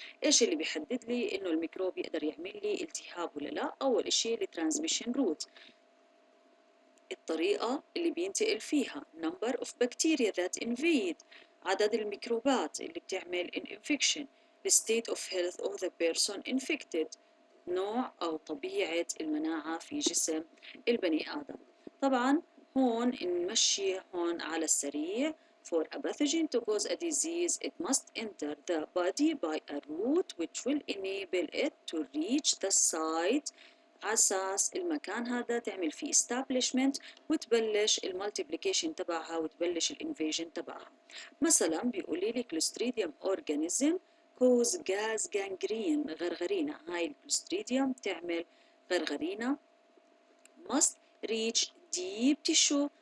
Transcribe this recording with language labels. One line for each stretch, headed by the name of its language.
Arabic: ايش اللي بيحدد لي انه الميكروب يقدر يعمل لي التهاب ولا لا؟ اول شيء الترانسميشن روت، الطريقة اللي بينتقل فيها،
English: number of bacteria that invade،
Arabic: عدد الميكروبات اللي بتعمل
English: an infection، the state of health of the person infected،
Arabic: نوع أو طبيعة المناعة في جسم البني آدم. طبعاً هون نمشي هون على السريع.
English: For a pathogen to cause a disease it must enter the body by a route which will enable it to reach the site.
Arabic: عساس المكان هذا تعمل فيه establishment وتبلش الملتيبليكيشن تبعها وتبلش الانفيجن تبعها. مثلاً بيقولي لي
English: Clostridium organism cause gas gangrene،
Arabic: غرغرينا، هاي الكلوستريديوم تعمل غرغرينا.
English: must reach deep tissue،